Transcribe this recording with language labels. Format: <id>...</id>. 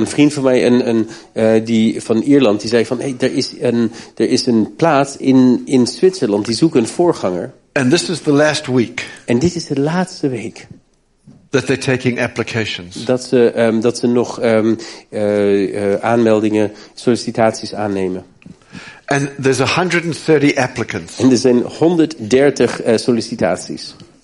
<nl>Een vriend van mij die van Ierland die zei van hey, er is een plaats in Zwitserland die zoeken een voorganger.</nl> <en>And this is the last week.</en> <nl>En dit is de laatste week.</nl> <en>That they're taking applications.</en> <nl>Dat ze nog aanmeldingen sollicitaties aannemen.</nl> <en>And there's 130 applicants.</en> <nl>En er zijn 130 sollicitaties.</nl>